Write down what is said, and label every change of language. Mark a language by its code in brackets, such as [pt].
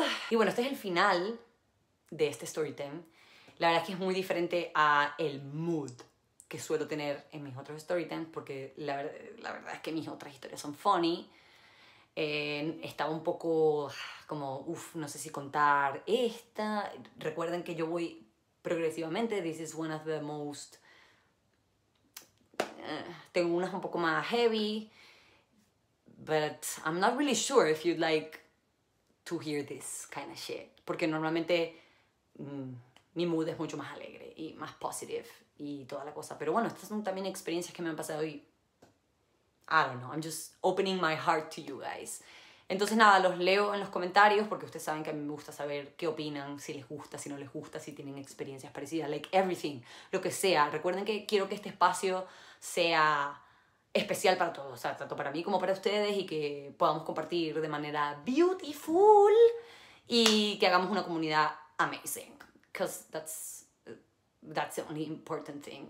[es] Y bueno, este es el final de este story time. La verdad es que es muy diferente a el mood que suelo tener en mis otros story times, porque la verdad es que mis otras historias son funny. Estaba un poco como, no sé si contar esta. Recuerden que yo voy progresivamente. [en] This is one of the most... [es] tengo unas un poco más heavy. [en] But I'm not really sure if you'd like to hear this kind of shit. [es] Porque normalmente mi mood es mucho más alegre y más positive y toda la cosa. Pero bueno, estas son también experiencias que me han pasado y... [en] I don't know, I'm just opening my heart to you guys. [es] Entonces nada, los leo en los comentarios porque ustedes saben que a mí me gusta saber qué opinan, si les gusta, si no les gusta, si tienen experiencias parecidas, [en] like everything, [es] lo que sea. Recuerden que quiero que este espacio sea especial para todos, o sea, tanto para mí como para ustedes, y que podamos compartir de manera beautiful y que hagamos una comunidad amazing. [en] Because that's the only important thing.